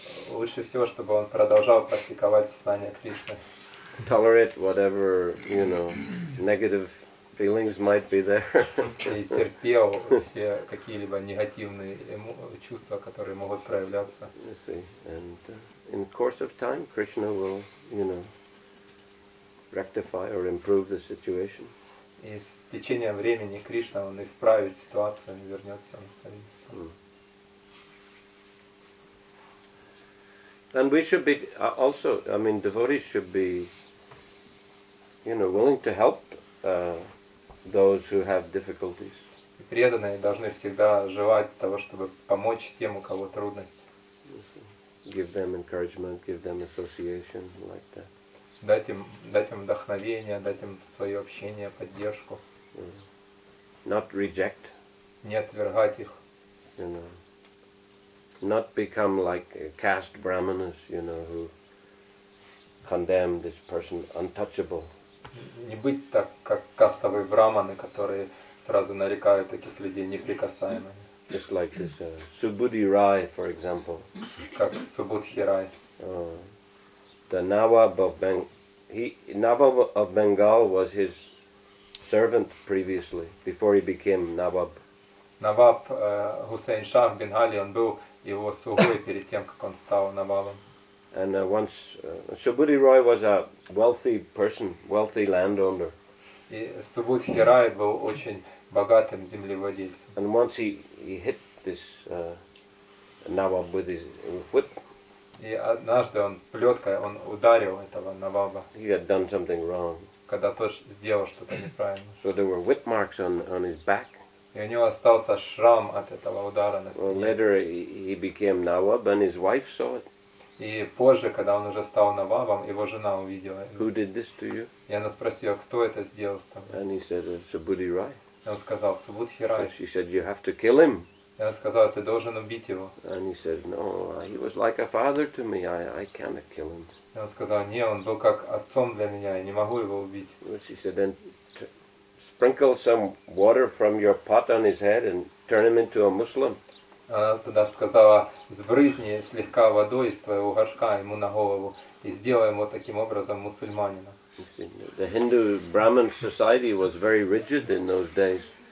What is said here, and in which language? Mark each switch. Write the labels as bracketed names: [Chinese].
[Russian] Лучше всего, чтобы он продолжал практиковать сознание Кришны. [English] Tolerate whatever, you know, negative feelings might be there. [Russian] И терпел все какие-либо негативные чувства, которые могут проявляться. [English] You see, and in the course of time, Krishna will, you know, rectify or improve the situation. [Russian] И с течением времени Кришна, он исправит ситуацию и вернется на свои места. [English] And we should be also, I mean, devotees should be, you know, willing to help those who have difficulties. [Russian] Преданные должны всегда желать того, чтобы помочь тем, у кого трудности. [English] Give them encouragement, give them association, like that. [Russian] Дать им вдохновение, дать им свое общение, поддержку. [English] Not reject. [Russian] Не отвергать их. [English] You know. Not become like caste brahmanas, you know, who condemn this person untouchable. [Russian] Не быть так, как кастовые браманы, которые сразу нарекают таких людей неприкасаемыми. [English] Just like this Subuddhi Rai, for example. [Russian] Как Субудхи Рай. [English] The Nawab of Nawab of Bengal was his servant previously, before he became Nawab. [Russian] Nawab Hussein Shah Bengali, он был его слугой перед тем, как он стал навалом. [English] And once Subuddhi Rai was a wealthy person, wealthy landowner. [Russian] И Субудхи Рай был очень богатым землевладельцем. [English] And once he hit this Nawab with his whip. [Russian] И однажды он плеткой он ударил этого наваба. [English] He had done something wrong. [Russian] Когда тот сделал что-то неправильно. [English] So there were whip marks on his back. [Russian] И у него остался шрам от этого удара на спине. [English] Well, later he became Nawab and his wife saw it. [Russian] И позже, когда он уже стал навабом, его жена увидела это. [English] Who did this to you? [Russian] И она спросила, кто это сделал с тобой. [English] And he said, Subuddhi Rai. [Russian] И он сказал, Субудхи Рай. [English] So she said, you have to kill him. [Russian] И она сказала, ты должен убить его. [English] And he said, no, he was like a father to me, I cannot kill him. [Russian] И он сказал, не, он был как отцом для меня, я не могу его убить. [English] Well, she said, then, sprinkle some water from your pot on his head and turn him into a Muslim. [Russian] Она тогда сказала, сбрызни слегка водой из твоего горшка ему на голову и сделай его таким образом мусульманином. [English] The Hindu Brahmin society was very rigid in those days.